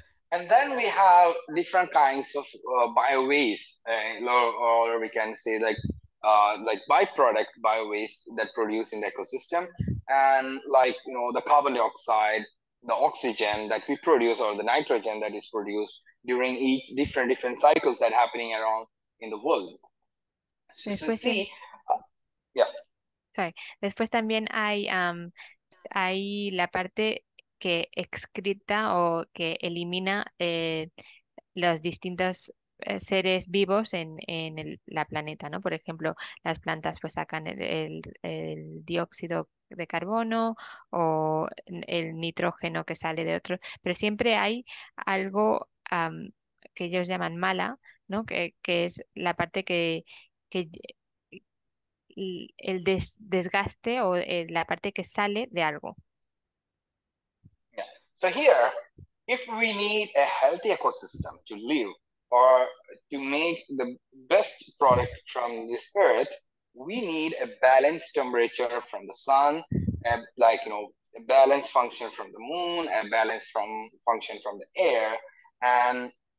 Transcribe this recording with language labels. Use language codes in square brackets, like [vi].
[en] And then we have different kinds of bioways, or we can say like byproduct bioways that produce in the ecosystem. And like, you know, the carbon dioxide, the oxygen that we produce, or the nitrogen that is produced during each different cycles that are happening around in the world. So [es] Después, [en] see, sorry. [es] Después también hay la parte que excreta o que elimina los distintos seres vivos en la planeta, ¿no? Por ejemplo, las plantas pues sacan el dióxido de carbono o el nitrógeno que sale de otro, pero siempre hay algo que ellos llaman mala, ¿no? Que es la parte que el desgaste o la parte que sale de algo. [en] So here, if we need a healthy ecosystem to live or to make the best product from this earth, we need a balanced temperature from the sun, like, you know, a balanced function from the moon, a balanced function from the air.